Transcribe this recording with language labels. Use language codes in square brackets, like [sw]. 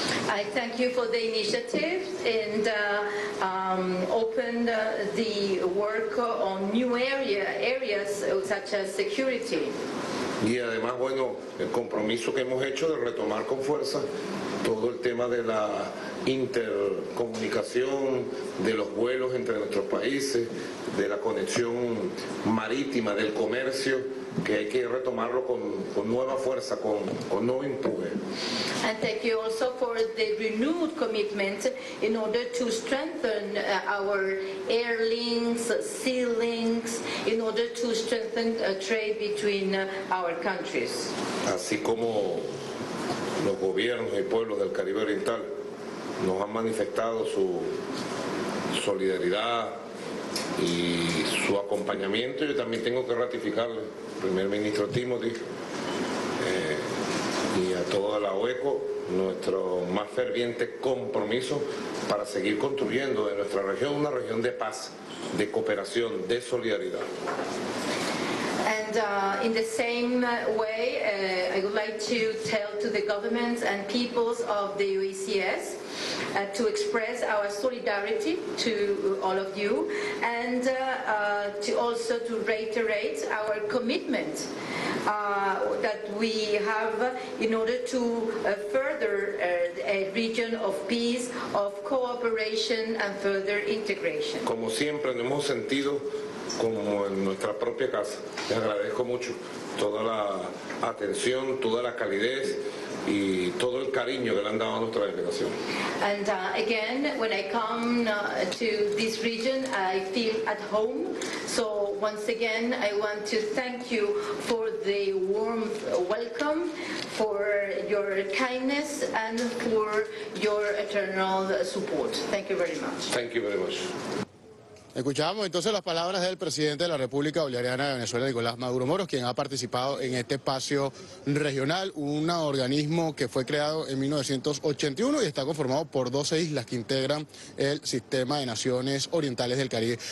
[en] I thank you for the initiatives and opened the work on new areas such as security. [es] Y además, bueno, el compromiso que hemos hecho de retomar con fuerza todo el tema de la intercomunicación, de los vuelos entre nuestros países, de la conexión marítima, del comercio, que hay que retomarlo con nueva fuerza, con nuevo empuje. [en] And thank you also for the renewed commitment in order to strengthen our air links, sea links, in order to strengthen trade between our countries. [es] Así como los gobiernos y pueblos del Caribe Oriental nos han manifestado su solidaridad y su acompañamiento, yo también tengo que ratificarle, primer ministro Timothy, y a toda la OECO, nuestro más ferviente compromiso para seguir construyendo en nuestra región una región de paz, de cooperación, de solidaridad. [en] And in the same way, I would like to tell to the governments and peoples of the OECS to express our solidarity to all of you, and to also to reiterate our commitment that we have in order to further a region of peace, of cooperation, and further integration. [es] Como siempre, nos hemos sentido como en nuestra propia casa. Les agradezco mucho toda la atención, toda la calidez y todo el cariño que le han dado a nuestra delegación. [en] And again, when I come to this region, I feel at home. So once again, I want to thank you for the warm welcome, for your kindness, and for your eternal support. Thank you very much. Thank you very much. [es] Escuchamos entonces las palabras del presidente de la República Bolivariana de Venezuela, Nicolás Maduro Moros, quien ha participado en este espacio regional, un organismo que fue creado en 1981 y está conformado por 12 islas que integran el Sistema de Naciones Orientales del Caribe.